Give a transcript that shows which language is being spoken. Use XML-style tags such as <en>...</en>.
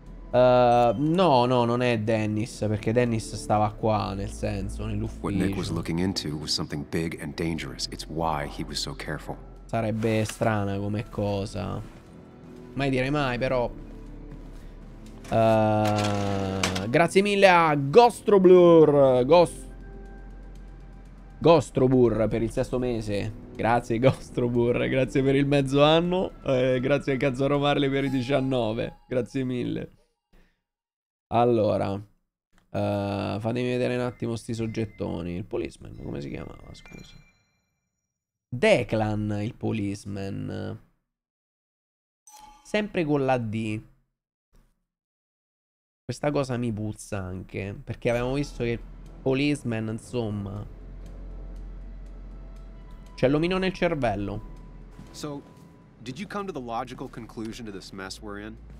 <it>No, no, non è Dennis, perché Dennis stava qua, nel senso, nell'ufficio.</it> <en>What Nick was looking into was something big and dangerous. It's why he was so careful.</en> <it>Sarebbe strana come cosa. Mai dire mai, però. Grazie mille a Ghostroblur. Ghostroblur per il sesto mese. Grazie Ghostroblur, grazie per il mezzo anno. Grazie a Cazzaro Marley per i 19. Grazie mille. Allora, fatemi vedere un attimo sti soggettoni. Il policeman, come si chiamava, scusa? Declan, il policeman. Sempre con la D. Questa cosa mi puzza anche, perché avevamo visto che il policeman, insomma... C'è l'omino nel cervello.</it> <en>So, did you come to the logical conclusion to this mess we're in?</en>